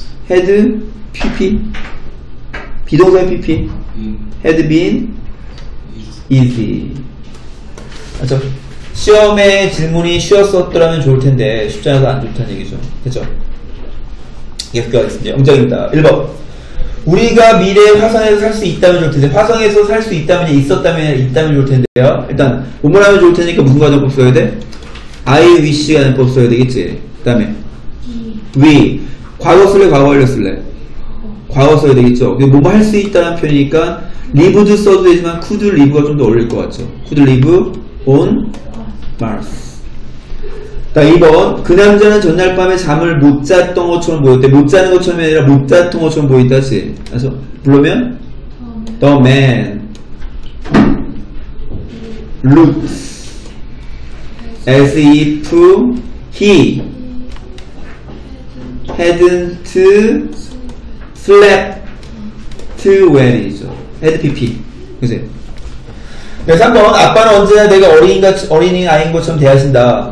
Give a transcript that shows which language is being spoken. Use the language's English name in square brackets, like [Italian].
[English] Had PP [Korean] 비동사의 [English] PP Had been easy. [Korean] 맞죠? 시험에 질문이 쉬웠었더라면 좋을 텐데 쉽지 않아서 안 좋다는 얘기죠. 됐죠? 여기까지 하겠습니다. 영장입니다. 1번. 우리가 미래의 화성에서 살 수 있다면 좋을 텐데. 화성에서 살 수 있다면 있었다면 있다면 좋을 텐데요. 일단 본문 하면 좋을 테니까 무슨 과정법 써야 돼? I wish 과정법 써야 되겠지. 그 다음에 we 과거 쓸래 과거 완료 쓸래? 과거 써야 되겠죠. 뭐뭐 할 수 있다는 표현이니까 lived 써도 되지만 could live가 좀 더 어울릴 것 같죠. [English] could live on Mars. [Korean] 자, 2번. 그 남자는 전날 밤에 잠을 못 잤던 것처럼 보였대. 못 자는 것처럼이 아니라 못 잤던 것처럼 보인다지. 그래서 그러면 [English] the man looks as if he hadn't slept well이죠. [Korean] Had PP. 그치? 네, 3번. 아빠는 언제나 내가 어린아이인 것처럼 대하신다.